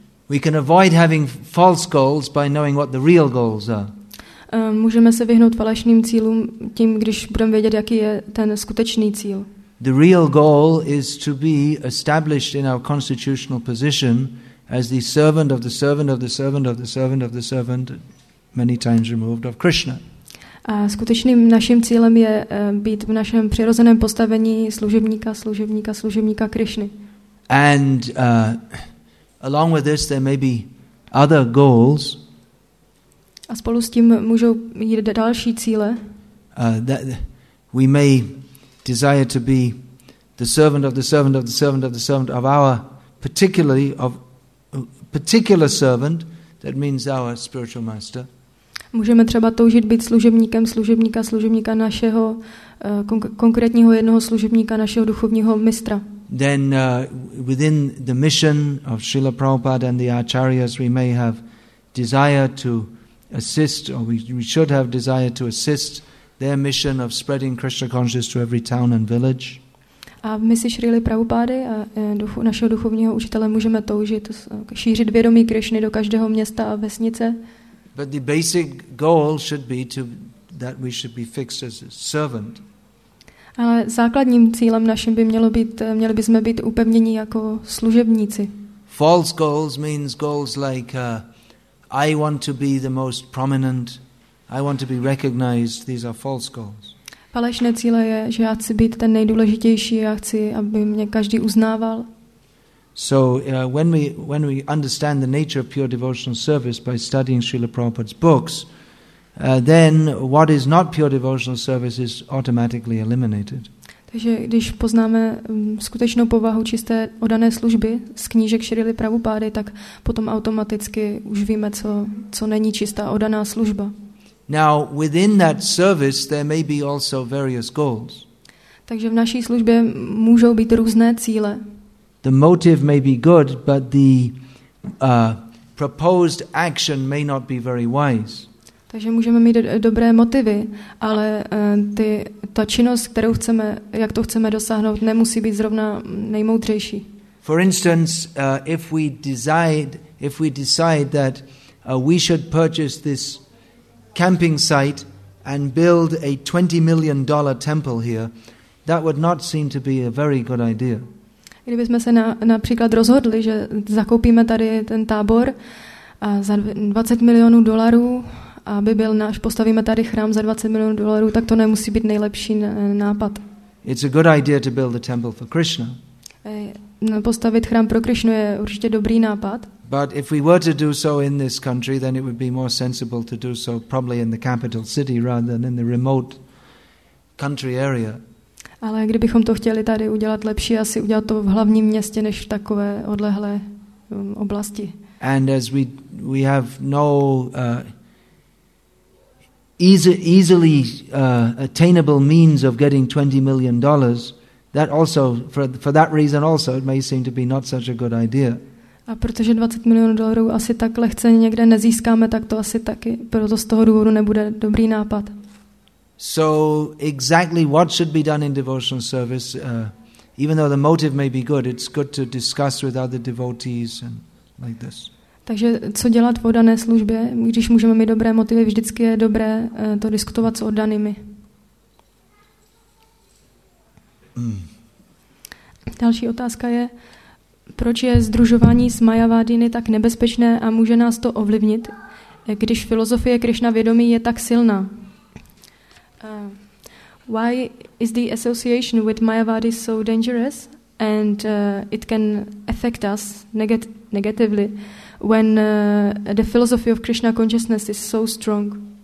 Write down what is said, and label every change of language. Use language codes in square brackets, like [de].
[en] We can avoid having false goals by knowing what the real goals are. [cs] Můžeme se vyhnout falešným cílům tím, když budeme vědět, jaký je ten skutečný cíl. [en] The real goal is to be established in our constitutional position as the servant of the servant of the servant of the servant of the servant, many times removed of Krishna. [cs] A skutečným naším cílem je být v našem přirozeném postavení služebníka, služebníka, služebníka Krišny. [en] And along with this there may be other goals. [cs] A spolu s tím můžou jít další cíle. [en] That we may desire to be the servant of the servant of the servant of the servant of our particularly of particular servant, that means our spiritual master. [cs] Můžeme třeba toužit být služebníkem, služebníka, služebníka našeho konkrétního jednoho služebníka, našeho duchovního mistra. [en] Then within the mission of Srila Prabhupada and the acharyas, we may have desire to assist, or we should have desire to assist their mission of spreading Krishna consciousness to every town and village. [cs] A v misi Srila Prabhupady a našeho duchovního učitele můžeme toužit šířit vědomí Krišny do každého města a vesnice. [en] But the basic goal should be to that we should be fixed as a servant. [cs] Ale základním cílem naším by mělo být, měli bychom být upevněni jako služebníci. [en] False goals means goals like I want to be the most prominent, I want to be recognized. These are false goals. [cs] Falešné cíle je, že já chci být ten nejdůležitější, já chci, aby mě každý uznával. [en] So when we understand the nature of pure devotional service by studying Srila Prabhupada's books, then what is not pure devotional service is automatically eliminated. [cs] Takže když poznáme skutečnou povahu čisté oddané služby z knížek Srily Prabhupády, tak potom automaticky už víme, co není čistá oddaná služba. [en] Now within that service there may be also various goals. [cs] Takže v naší službě můžou být různé cíle. [en] The motive may be good, but the proposed action may not be very wise. [cs] Takže můžeme mít dobré motivy, ale ta činnost, kterou chceme, jak to chceme dosáhnout, nemusí být zrovna nejmoudřejší. [en] For instance, if we decide that we should purchase this camping site and build a $20 million temple here, that would not seem to be a very good idea. [cs] Kdybychom se například rozhodli, že zakoupíme tady ten tábor a za $20 million, aby byl náš, postavíme tady chrám za $20 million, tak to nemusí být nejlepší nápad. [en] It's a good idea to build a temple for Krishna. [cs] Postavit chrám pro Krishnu je určitě dobrý nápad. [en] But if we were to do so in this country, then it would be more sensible to do so probably in the capital city rather than in the remote country area. [cs] Ale kdybychom to chtěli tady udělat lepší, asi udělat to v hlavním městě než v takové odlehlé oblasti. [en] And as we have no easily attainable means of getting $20 million, That also, for that reason also, it may seem to be not such a good idea. [cs] A protože 20 milionů dolarů asi tak lehce někde nezískáme, tak to asi taky proto z toho důvodu nebude dobrý nápad. [en] So exactly what should be done in devotional service, even though the motive may be good, it's good to discuss with other devotees and like this. [cs] Takže co dělat v oddané službě, když můžeme mít dobré motivy, vždycky je dobré to diskutovat s oddanými. Další otázka je, proč je sdružování s Mayavadiny tak nebezpečné a může nás to ovlivnit, když filozofie Krishna vědomí je tak silná? [en] Why is the association with Mayavadi so dangerous and it can affect us negatively when the philosophy of Krishna consciousness is so strong?